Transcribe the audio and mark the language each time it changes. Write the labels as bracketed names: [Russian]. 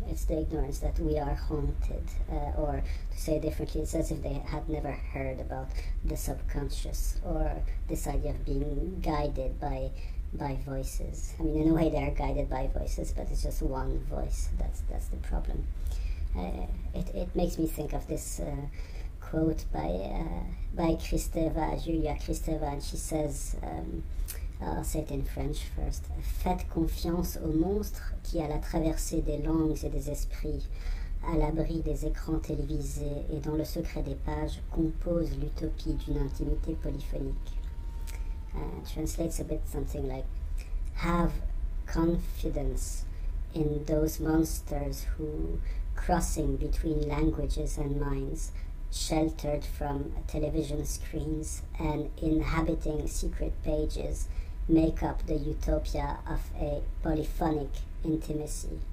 [English] It's the ignorance that we are haunted, or to say it differently, it's as if they had never heard about the subconscious or this idea of being guided by voices. I mean, in a way they are guided by voices, but it's just one voice. That's the problem. It makes me think of this quote by Kristeva, Julia Kristeva, and she says, I'll say it in French first. [French] Faites confiance au monstre qui, à la traversée des langues et des esprits, à l'abri des écrans télévisés et dans le secret des pages, compose l'utopie d'une intimité polyphonique. [English] Translates a bit something like, have confidence in those monsters who, crossing between languages and minds, sheltered from television screens and inhabiting secret pages, make up the utopia of a polyphonic intimacy.